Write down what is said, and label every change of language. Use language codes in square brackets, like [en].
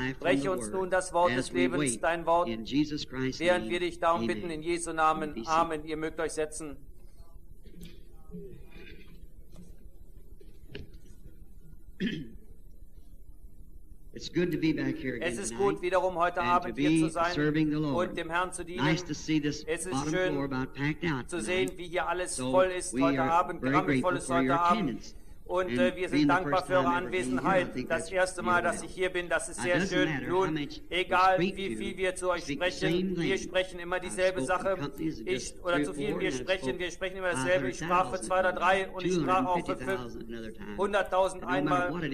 [de] Breche uns nun das Wort des Lebens, dein Wort, während wir dich darum bitten, in Jesu Namen. Amen. Ihr mögt euch setzen. [en] It's good to be back here again. [de] Es ist gut, wiederum heute Abend hier zu sein und dem Herrn zu dienen. [en] Nice to see this bottom floor about packed out. [de] Zu sehen, wie hier alles voll ist heute Abend, rammelvoll ist heute Abend. Und wir sind dankbar für eure Anwesenheit. Das erste Mal, dass ich hier bin, das ist sehr schön. Nun, egal wie viel wir zu euch sprechen, wir sprechen immer dieselbe Sache. Ich, oder zu viel, wir sprechen immer dasselbe. Ich sprach für 2 oder 3 und ich sprach auch für 100.000 einmal.